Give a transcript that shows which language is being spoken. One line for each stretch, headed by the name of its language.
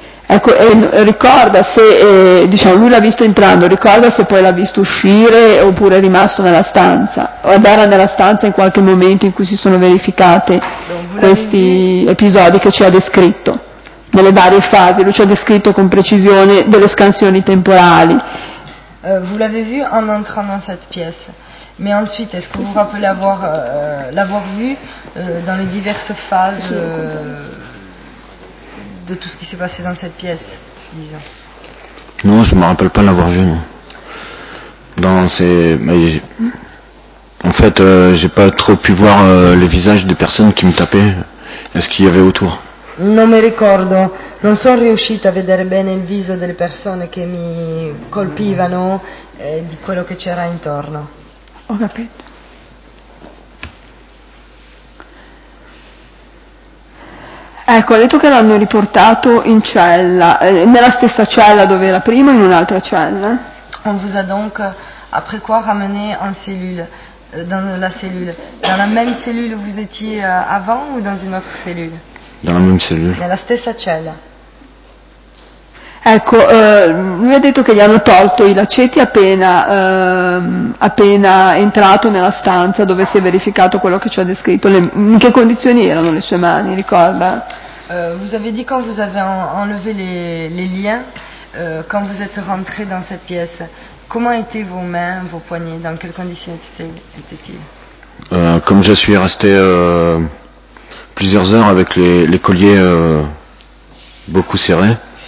Italian: Ecco, ricorda se, diciamo, lui l'ha visto entrando, ricorda se poi l'ha visto uscire oppure è rimasto nella stanza, o era nella stanza in qualche momento in cui si sono verificate questi episodi che ci ha descritto, nelle varie fasi, lui ci ha descritto con precisione delle scansioni temporali.
French: Vous l'avez vu en entrant dans cette pièce, mais ensuite, est-ce que vous vous rappelez l'avoir vu dans les diverses phases de tout ce qui s'est passé dans cette pièce, disons? Non, je ne me rappelle pas l'avoir vu, non. Dans ces... En fait, je n'ai pas trop pu voir le visage des personnes qui me tapaient. Est-ce qu'il y avait autour?
Italian: Non mi ricordo. Non sono riuscita a vedere bene il viso delle persone che mi colpivano e di quello che c'era intorno. Ho capito. Ecco, ha detto che l'hanno riportato in cella, nella stessa cella dove era prima o in un'altra cella?
French: On vous a donc, après quoi, ramené en cellule, dans la cellule. Dans la même cellule où vous étiez avant ou dans une autre cellule? Dans la même cellule.
Italian: Nella stessa cella. Ecco, lui ha detto che gli hanno tolto i lacetti appena entrato nella stanza dove si è verificato quello che ci ha descritto. In che condizioni erano le sue mani, ricorda?
French: Vous avez dit quand vous avez enlevé les liens, quand vous êtes rentré dans cette pièce, comment étaient vos mains, vos poignets, dans quelles conditions étaient-ils ? Comme je suis resté plusieurs heures avec les colliers beaucoup serrés.